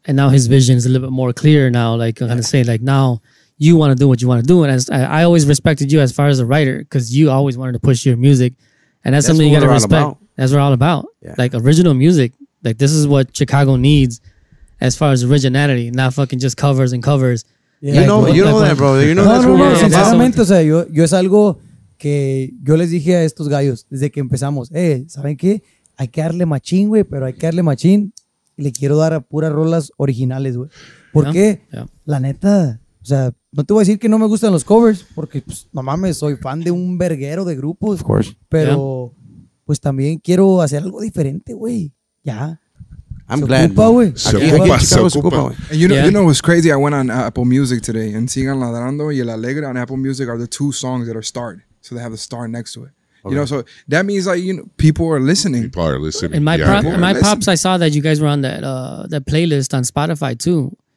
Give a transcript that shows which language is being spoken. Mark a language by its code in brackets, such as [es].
[en] And now his vision is a little bit more clear now, now you want to do what you want to do. And I always respected you as far as a writer because you always wanted to push your music. And that's something you got to respect. That's what we're all about. Yeah. Like original music. Like this is what Chicago needs as far as originality, not fucking just covers and covers. Yeah. [es] Sinceramente, yo es algo que yo les dije a estos gallos desde que empezamos. ¿Saben qué? Hay que darle machín, güey, pero hay que darle machín y le quiero dar a puras rolas originales, güey. ¿Por qué? La neta, o sea, no te voy a decir que no me gustan los covers, porque pues, no mames, soy fan de un verguero de grupos. [en] Of course. [es] Pero pues también quiero hacer algo diferente, güey. Ya. [en] I'm se glad. [es] Ocupa, güey. Se ocupa. [en] And you know, you know what's crazy? I went on Apple Music today and Sigan Ladrando y El Alegre on Apple Music are the two songs that are starred. So they have a star next to it. Okay. You know, so that means like, you know, people are listening. People are listening. In my, my pops, I saw that you guys were on that that playlist on Spotify too.